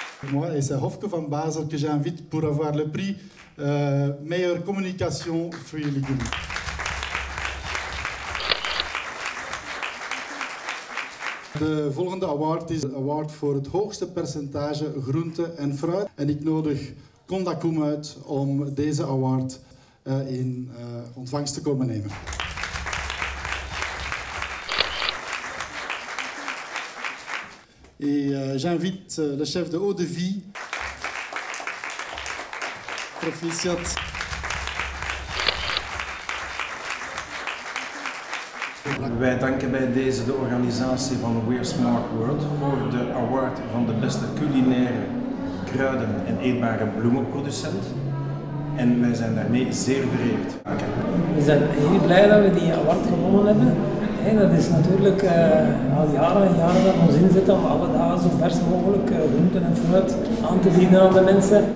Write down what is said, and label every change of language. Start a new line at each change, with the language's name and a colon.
French: Moi, et c'est Hofke van Basel que j'invite pour avoir le prix meilleure communication fruits et légumes.
Dutch: De volgende award is een award voor het hoogste percentage groente en fruit. En ik nodig Kondakoum uit om deze award in ontvangst te komen nemen.
French: Et j'invite le chef de Eau de Vie, proficiat,
Dutch: wij danken bij deze de organisatie van We're Smart World voor de award van de beste culinaire kruiden en eetbare bloemenproducent. En wij zijn daarmee zeer vereerd. We zijn heel blij dat we die award gewonnen hebben. Hey, dat is natuurlijk al jaren en jaren dat we ons inzetten om alle dagen zo vers mogelijk groenten en fruit aan te bieden aan de mensen.